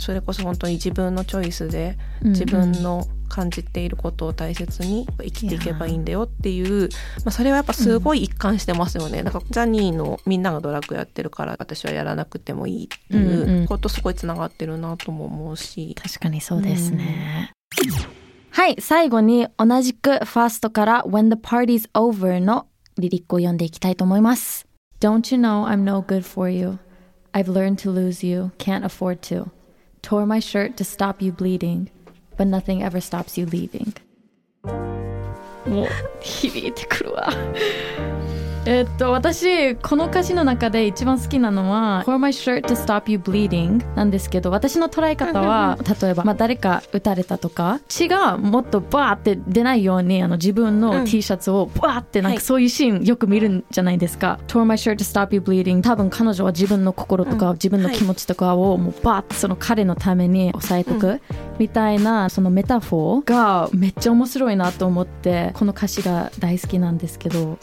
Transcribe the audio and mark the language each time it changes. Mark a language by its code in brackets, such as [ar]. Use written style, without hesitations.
[ja] それこそ本当に自分のチョイスで自分の感じていることを大切に生きていけばいいんだよっていう、まあ、それはやっぱすごい一貫してますよね、うん、なんかジャニーのみんながドラッグやってるから私はやらなくてもいいっていうことすごいつながってるなとも思うし、うんうん、確かにそうですね、うん、はい、最後に同じくファーストから When the party's over のリリックを読んでいきたいと思います。 [en] Don't you know I'm no good for you I've learned to lose you, can't afford to. Tore my shirt to stop you bleeding, but nothing ever stops you leaving. [ja] もう響いてくるわ。私この歌詞の中で一番好きなのは [en] Tore my shirt to stop you bleeding [ja] なんですけど、私の捉え方は例えば、まあ、誰か撃たれたとか血がもっとバーって出ないように、あの自分の T シャツをバーってなんかそういうシーンよく見るんじゃないですか、はい、Tore my shirt to stop you bleeding、 多分彼女は自分の心とか自分の気持ちとかをもうバーってその彼のために抑えておくみたいな、そのメタフォーがめっちゃ面白いなと思ってこの歌詞が大好きなんですけど、